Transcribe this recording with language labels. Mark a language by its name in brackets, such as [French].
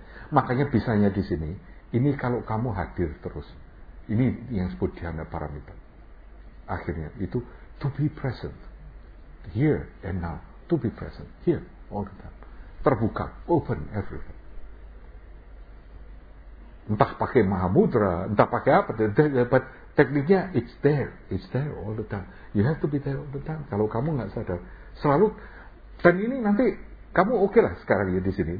[Indonesian] Makanya bisanya di sini. Ini kalau kamu hadir terus. Ini yang disebut dhyana paramita. Akhirnya itu [English] to be present here and now. To be present here all the time. [Indonesian] Terbuka, [English] open everything. [Indonesian] Entah pakai mahamudra, entah pakai apa, [English] but [Indonesian] tekniknya, [English] it's there all the time. You have to be there all the time. [Indonesian] Kalau kamu nggak sadar, selalu. Dan ini nanti kamu oke lah sekarang ya di sini.